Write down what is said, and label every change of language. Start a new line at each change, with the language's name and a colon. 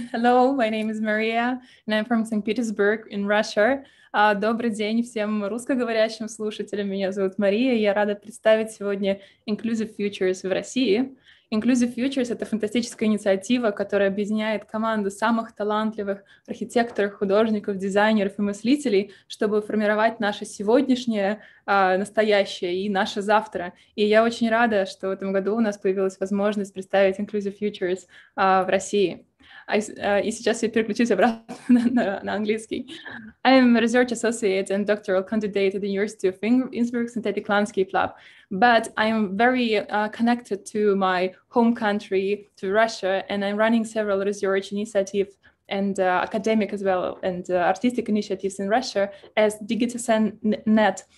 English: Hello, my name is Maria, and I'm from St. Petersburg in Russia.
Russian: Добрый день всем русскоговорящим слушателям. Меня зовут Мария. Я рада представить сегодня Inclusive Futures в России. Inclusive Futures — это фантастическая инициатива, которая объединяет команду самых талантливых архитекторов, художников, дизайнеров и мыслителей, чтобы формировать наше сегодняшнее, настоящее и наше завтра. И я очень рада, что в этом году у нас появилась возможность представить Inclusive Futures в России. И сейчас я переключусь обратно на английский.
English: I am a research associate and doctoral candidate at the University of Innsbruck Synthetic Landscape Lab, but I am very connected to my home country, to Russia, and I'm running several research initiatives and academic as well, and artistic initiatives in Russia as DigitalNet.